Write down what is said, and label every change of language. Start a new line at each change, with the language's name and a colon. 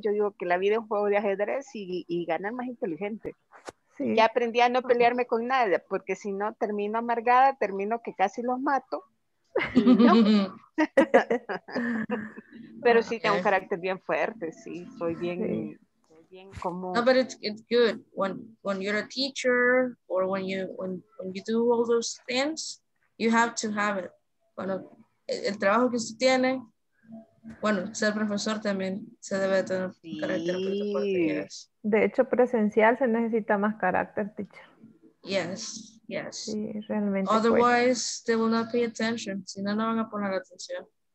Spanish: Yo digo que la vida es un juego de ajedrez y ganar más inteligente. Sí. Ya aprendí a no pelearme con nadie, porque si no termino amargada, termino que casi los mato. No. Pero sí, tengo un carácter bien fuerte, sí, soy bien como.
English: No, but it's good when you're a teacher or when you do all those things, you have to have it.
Spanish: Bueno, el trabajo que usted tiene, bueno, ser profesor también se debe tener un carácter fuerte. De hecho, presencial se necesita más carácter, teacher.
English: Yes. Yes.
Spanish: Sí, realmente. Otherwise, puede.
English: They will not pay attention.
Spanish: Si no, no van a poner atención.